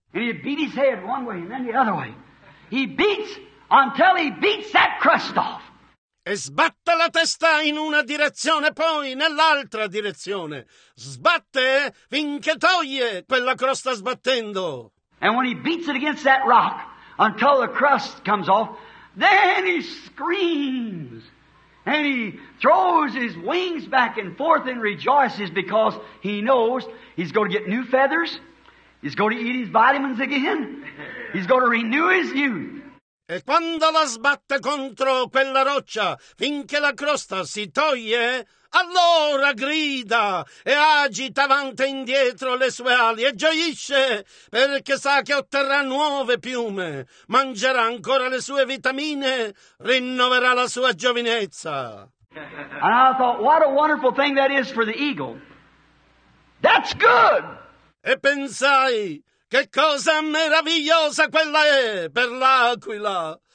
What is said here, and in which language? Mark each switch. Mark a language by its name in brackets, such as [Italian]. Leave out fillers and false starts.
[English] And he beat his head one way and then the other way. He beats until he beats that crust off. [Italian] E sbatte la testa in una direzione, poi nell'altra direzione. Sbatte finché toglie quella crosta sbattendo. [English] And when he beats it against that rock until the crust comes off, Then he screams and he throws his wings back and forth and rejoices because he knows he's going to get new feathers. He's going to eat his vitamins again. He's going to renew his youth. [Italian] E quando la sbatte contro quella roccia, finché la crosta si toglie, allora grida e agita avanti e indietro le sue ali e gioisce perché sa che otterrà nuove piume, mangerà ancora le sue vitamine, rinnoverà la sua giovinezza. [English] And I thought, what a wonderful thing that is for the eagle. That's good! [Italian] E pensai, che cosa meravigliosa quella è per l'aquila.